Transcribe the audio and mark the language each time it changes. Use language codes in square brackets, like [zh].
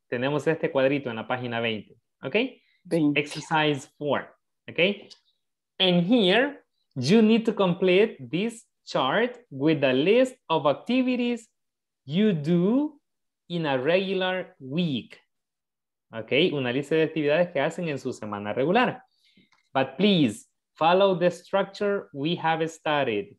[es] Tenemos este cuadrito en la página 20, okay? 20. [en] Exercise 4, okay? And here, you need to complete this chart with a list of activities you do in a regular week. [es] Okay, una lista de actividades que hacen en su semana regular. [en] But please follow the structure we have studied.